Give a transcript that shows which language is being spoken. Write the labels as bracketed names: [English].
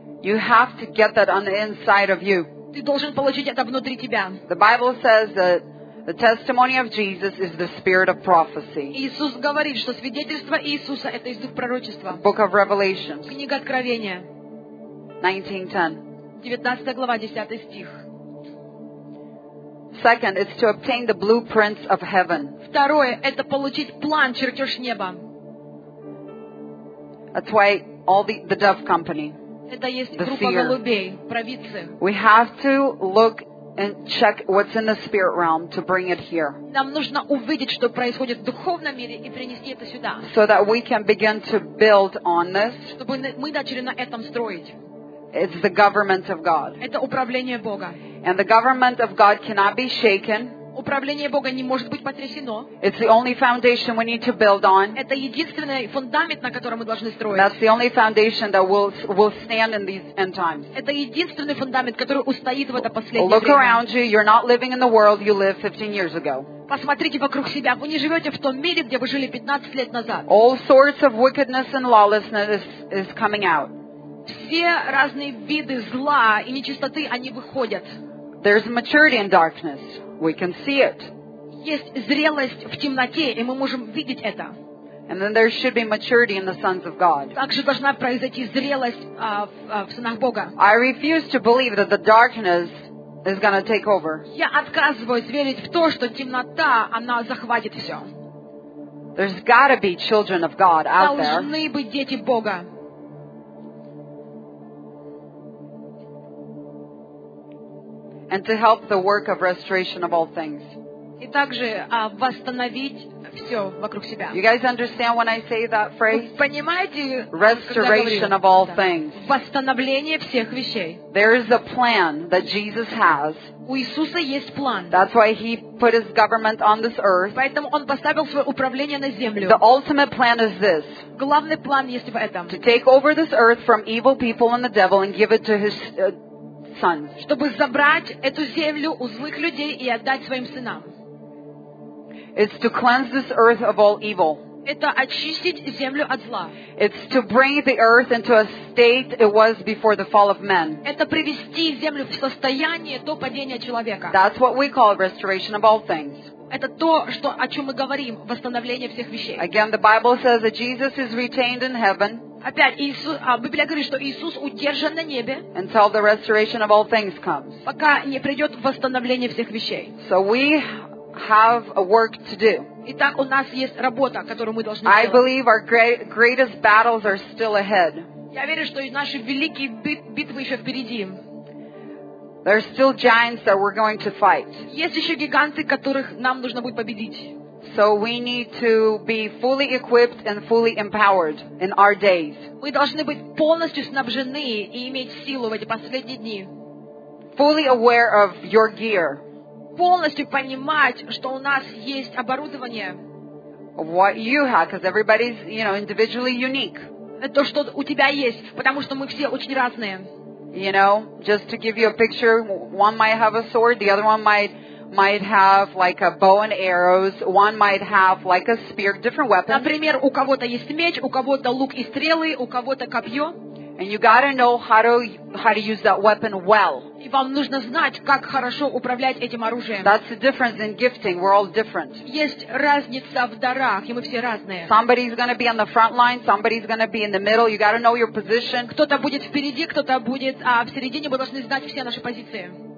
[English] You have to get that on the inside of you. [Russian] Ты должен получить это внутри тебя. [English] The Bible says that the testimony of Jesus is the spirit of prophecy. [Russian] Иисус говорит, что свидетельство Иисуса это из дух пророчества. [English] Book of Revelation. [Russian] Книга Откровения. [English] 19:10. [Russian] 19 глава, 10 стих. [English] Second, it's to obtain the blueprints of heaven. [Russian] Второе это получить план, чертёж неба. [English] That's why all the dove company. [Russian] Это есть группа голубей, провидцы. [English] We have to look and check what's in the spirit realm to bring it here. [Russian] Нам нужно увидеть, что происходит в духовном мире и принести это сюда. [English] So that we can begin to build on this. [Russian] Чтобы мы начали на этом строить. [English] It's the government of God. [Russian] Это управление Бога. [English] And the government of God cannot be shaken. [Russian] Управление Бога не может быть потрясено. [English] It's the only foundation we need to build on. [Russian] Это единственный фундамент, на котором мы должны строить. [English] That's the only foundation that will stand in these end times. [Russian] Это единственный фундамент, который устоит в это последнее время. [English] Look around you. You're not living in the world you lived 15 years ago. [Russian] Посмотрите вокруг себя. Вы не живете в том мире, где вы жили 15 лет назад. [English] All sorts of wickedness and lawlessness is coming out. [Russian] Все разные виды зла и нечистоты, они выходят. [English] There's maturity in darkness. We can see it. [Russian] Есть зрелость в темноте, и мы можем видеть это. [English] And then there should be maturity in the sons of God. [Russian] Также должна произойти зрелость в сынах Бога. [English] I refuse to believe that the darkness is going to take over. [Russian] Я отказываюсь верить в то, что темнота, она захватит всё. [English] There's got to be children of God out there. [Russian] Должны быть дети Бога. [English] And to help the work of restoration of all things. [Russian] И также восстановить всё вокруг себя. [English] You guys understand when I say that phrase? [Russian] Вы понимаете? [English] Restoration of all things. [Russian] Восстановление всех вещей. [English] There is a plan that Jesus has. [Russian] У Иисуса есть план. [English] That's why he put his government on this earth. [Russian] Поэтому он поставил своё управление на землю. [English] The ultimate plan is this. [Russian] Главный план есть в этом. [English] To take over this earth from evil people and the devil and give it to his [Russian] чтобы забрать эту землю у злых людей и отдать своим сынам. [English] It's to cleanse this earth of all evil. [Russian] это очистить землю от зла. [English] It's to bring the earth into a state it was before the fall of man. [Russian] Это привести землю в состояние до падения человека. [English] That's what we call restoration of all things. [Russian] Это то, что, о чем мы говорим, восстановление всех вещей. [English] Again, the Bible says that Jesus is retained in heaven. [Russian] Опять Иисус, Библия говорит, что Иисус удержан на небе. [English] Until the restoration of all things comes. [Russian] Пока не придет восстановление всех вещей. [English] So we have a work to do. [Russian] Итак, у нас есть работа, которую мы должны делать. [English] I believe our greatest battles are still ahead. [Russian] Я верю, что наши великие битвы еще впереди. [English] There are still giants that we're going to fight. [Russian] Есть еще гиганты, которых нам нужно будет победить. [English] So we need to be fully equipped and fully empowered in our days. [Russian] Мы должны быть полностью снабжены и иметь силу в эти последние дни. [English] Fully aware of your gear. [Russian] Полностью понимать, что у нас есть оборудование. [English] What you have, because everybody's, you know, individually unique. [Russian] Это что у тебя есть, потому что мы все очень разные. [English] You know, just to give you a picture, one might have a sword, the other one might have like a bow and arrows, one might have like a spear, different weapons. [Russian] Например, у кого-то есть меч, у кого-то лук и стрелы, у кого-то копье. [English] And you gotta know how to use that weapon well. [Russian] И вам нужно знать, как хорошо управлять этим оружием. [English] That's the difference in gifting. We're all different. [Russian] Есть разница в дарах, и мы все разные. [English] Somebody's gonna be on the front line, somebody's gonna be in the middle. You gotta know your position. [Russian] Кто-то будет впереди, кто-то будет в середине. Мы должны знать все наши позиции.